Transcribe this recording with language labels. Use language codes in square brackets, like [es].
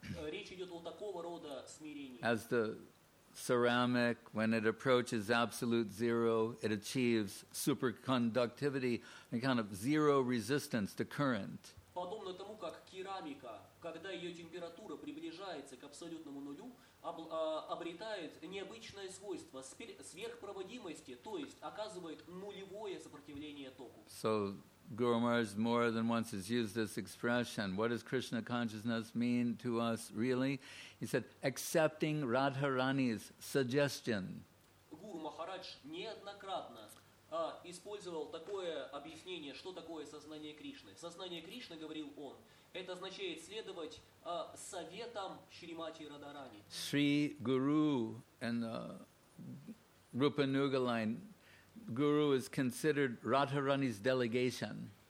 [ru] Речь идет о такого рода смирении. [en] As the ceramic, when it approaches absolute zero, it achieves superconductivity, a kind of zero resistance to current. [ru] Подобно тому, как керамика, когда ее температура приближается к абсолютному нулю, обретает необычное свойство сверхпроводимости, то есть оказывает нулевое сопротивление току. [en] So Guru Maharaj more than once has used this expression. What does Krishna consciousness mean to us, really? He said, accepting Radharani's suggestion. [ru] Guru Maharaj неоднократно использовал такое объяснение, что такое сознание Кришны. Сознание Кришны, говорил он, это означает следовать советам Шримати Радхарани. [en] Sri Guru and Rupa Nuga line, Guru is considered Radharani's delegation.